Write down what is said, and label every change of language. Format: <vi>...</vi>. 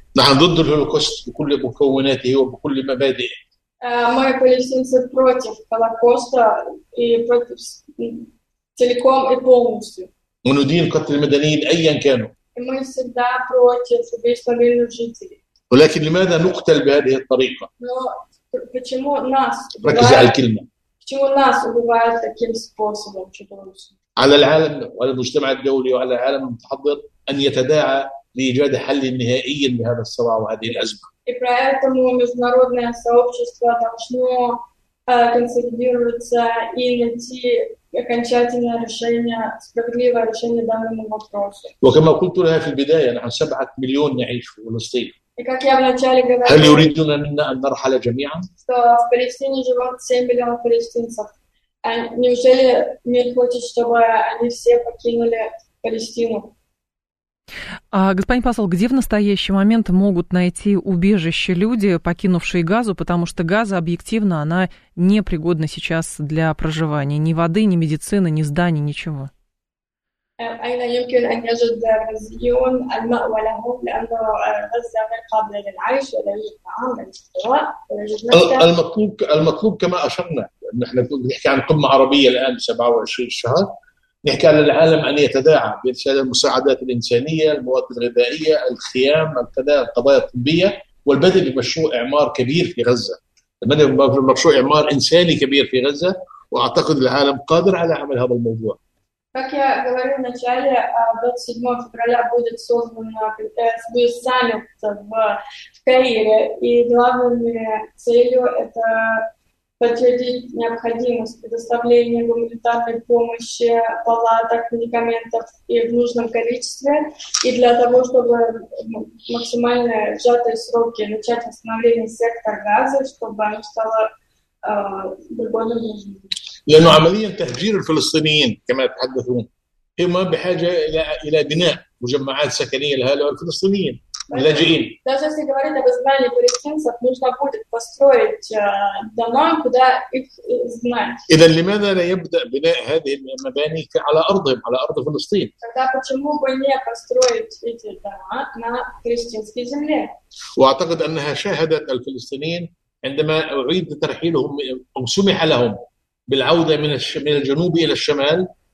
<ar>نحن ضد الهولوكوست بكل مكوناته وبكل مبادئه.</ar> <ru>Мы палестинцы против Холокоста и против целиком и полностью.</ru> <ar>وندين قتل المدنيين أيا كانوا.</ar> <ru>Мы всегда против убийства мирных жителей.</ru> <ar>ولكن لماذا نقتل بهذه الطريقة؟</ar> <ru>почему нас</ru> <ar>ركز على الكلمة.</ar> <ru>Почему нас убивают таким способом, чудовищно?</ru> <ar>على العالم والمجتمع الدولي وعلى العالم المتحضر أن يتداعى لإيجاد حل نهائي لهذا الصراع وهذه الأزمة.</ar> <ru>И поэтому международное сообщество должно консолидироваться и найти окончательное решение, справедливое решение данному вопросу.</ru> <ar>وكما قلت لها في البداية نحن 7 مليون نعيش في فلسطين.</ar> <ru>И как я вначале говорила,</ru> <ar>هل يريدون منا أن نرحل جميعا؟</ar> <ru>что в Палестине живут 7 миллионов палестинцев. Неужели мир хочет, чтобы они все покинули Палестину? Господин посол, где в настоящий момент могут найти убежище люди, покинувшие Газу, потому что Газа объективно она не пригодна сейчас для проживания, ни воды, ни медицины, ни зданий, ничего.</ru> <ar>أين يمكن أن يجد الغزيون المأوى لهم؟ لأن غزة غير قابلة للعيش ولا يوجد طعام ولا يوجد مسكن. المطلوب كما أشرنا، نحن نحكي عن قمة عربية الآن 27 شهر، نحكي عن العالم أن يتداعى بإرسال المساعدات الإنسانية، المواد الغذائية، الخيام، القضايا الطبية، والبدء بمشروع إعمار كبير في غزة، البدء بمشروع إعمار إنساني كبير في غزة، وأعتقد العالم قادر على عمل هذا الموضوع.</ar> <ru>Как я говорил в начале, 27 февраля будет создан будет саммит в Каире, и главной целью это подтвердить необходимость предоставления гуманитарной помощи, палаток, медикаментов и в нужном количестве, и для того, чтобы в максимально сжатые сроки начать восстановление сектора Газа, чтобы оно стало более нужным.</ru> <ar>لأنه عمليا تهجير الفلسطينيين كما يتحدثون هم بحاجة إلى بناء مجمعات سكنية لهؤلاء الفلسطينيين اللاجئين.</ar> <ru>даже если говорить об изгнании палестинцев, нужно будет построить дома, куда их изгнать.</ru> <ar>إذا لماذا لا يبدأ بناء هذه المباني على أرضهم على أرض فلسطين؟</ar> <ru>тогда почему бы не построить эти дома на палестинской земле؟</ru> <ar>وأعتقد أنها شاهدت الفلسطينيين عندما أعيد ترحيلهم أو سمح لهم بالعودة من الجنوب إلى الشمال.</ar>